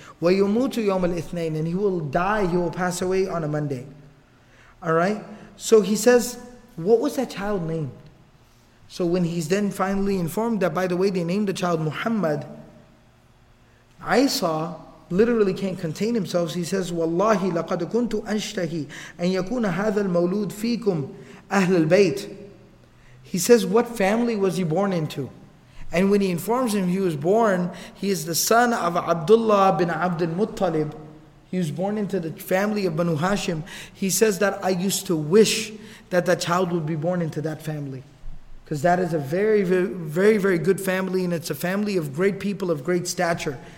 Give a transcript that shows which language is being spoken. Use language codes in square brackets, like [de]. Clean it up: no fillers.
[ar] وَيُمُوتُ يَوْمَ الْإِثْنَيْنِ [en] And he will die, he will pass away on a Monday. Alright? So he says, what was that child named? So when he's then finally informed that, by the way, they named the child Muhammad, Isa literally can't contain himself. He says, [ar] وَاللَّهِ لَقَدْ كُنْتُ أَنْشْتَهِ أَنْ يَكُونَ هَذَا الْمَوْلُودِ فِيكُمْ أَهْلَ الْبَيْتِ [en] He says, what family was he born into? And when he informs him he was born, he is the son of Abdullah bin Abd al-Muttalib. He was born into the family of Banu Hashim. He says that I used to wish that the child would be born into that family. Because that is a very, very, very, very good family, and it's a family of great people of great stature.